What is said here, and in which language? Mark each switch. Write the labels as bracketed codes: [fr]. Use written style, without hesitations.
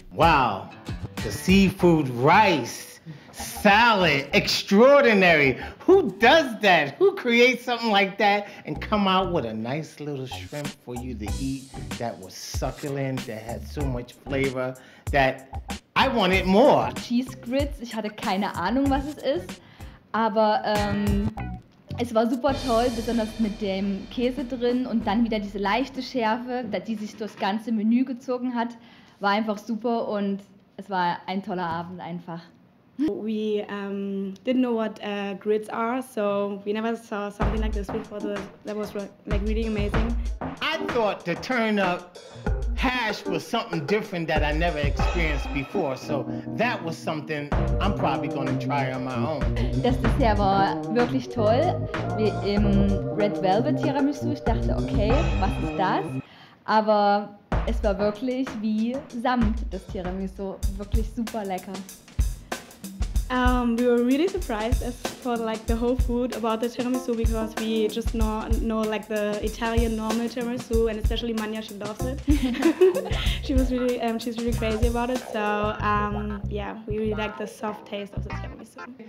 [en] Wow, the seafood rice salad, extraordinary. Who does that? Who creates something like that and come out with a nice little shrimp for you to eat that was succulent, that had so much flavor, that I wanted more. [de] Cheese grits, ich hatte keine Ahnung, was es ist, aber es war super toll, besonders mit dem Käse drin und dann wieder diese leichte Schärfe, die sich durchs ganze Menü gezogen hat, war einfach super und es war ein toller Abend einfach. [en] We didn't know what grits are, so we never saw something like this before. That was like really amazing. I thought the turnip hash was something different that I never experienced before, so that was something I'm probably going to try on my own. [de] Das Dessert war wirklich toll. Wie im Red Velvet Tiramisu. Ich dachte, okay, was ist das? Aber es war wirklich wie Samt, das Tiramisu. Wirklich super lecker. [en] We were really surprised as for like the whole food about the tiramisu because we just know like the Italian normal tiramisu and especially Manya, she loves it. She was really she's really crazy about it. So yeah, we really like the soft taste of the tiramisu.